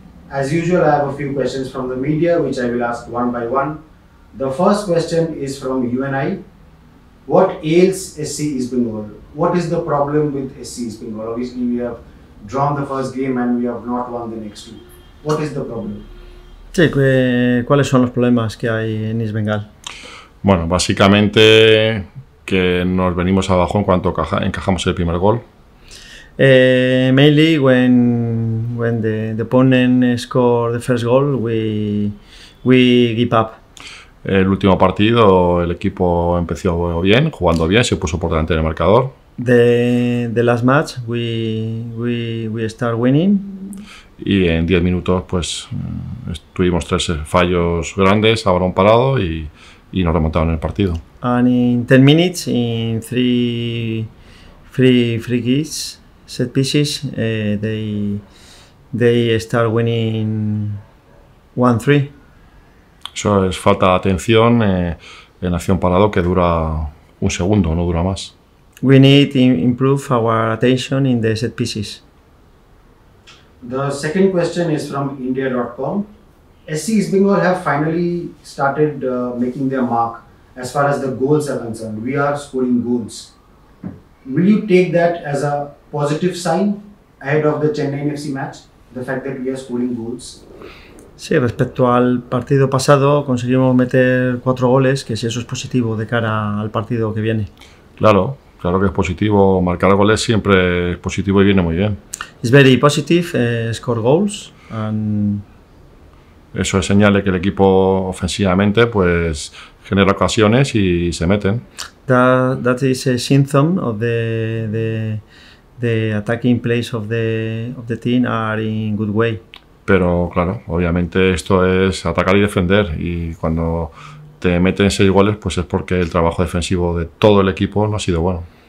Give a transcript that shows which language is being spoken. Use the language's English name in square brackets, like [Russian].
[English] As usual, I have a few questions from the media, which I will ask one by one. The first question is from UNI. What ails SC East Bengal? What is the problem with SC East Bengal? Obviously, we have drawn the first game and we have not won the next two. What is the problem? [Spanish] Sí, ¿cuáles son los problemas que hay en East Bengal? Bueno, básicamente que nos venimos abajo en cuanto encajamos el primer gol. [English] Mainly when the opponent score the first goal, we give up. [Spanish] El último partido el equipo empezó bien, jugando bien, se puso por delante del marcador. [English] The last match we start winning. [Spanish] Y en 10 minutos pues tuvimos tres fallos grandes, a balón parado y nos remontaron en el partido. [English] And in 10 minutes, in three kicks, set pieces, they start winning 1-3. [Spanish] Eso es falta de atención en acción parado que dura un segundo, no dura más. [English] We need to improve our attention in the set pieces. The second question is from India.com. SC East Bengal have finally started making their mark as far as the goals are concerned. We are scoring goals. Will you take that as a positive sign ahead of the Chennaiyin FC match, the fact that we are scoring goals? [Spanish] Sí, respecto al partido pasado, conseguimos meter 4 goles, que si eso es positivo de cara al partido que viene. Claro. Claro que es positivo, marcar goles siempre es positivo y viene muy bien. [English] It's very positive, score goals. And [Spanish] eso es señal de que el equipo ofensivamente pues genera ocasiones y se meten. [English] That is a symptom of the attacking plays of the team are in good way. [Spanish] Pero claro, obviamente esto es atacar y defender y cuando te meten 6 goles pues es porque el trabajo defensivo de todo el equipo no ha sido bueno.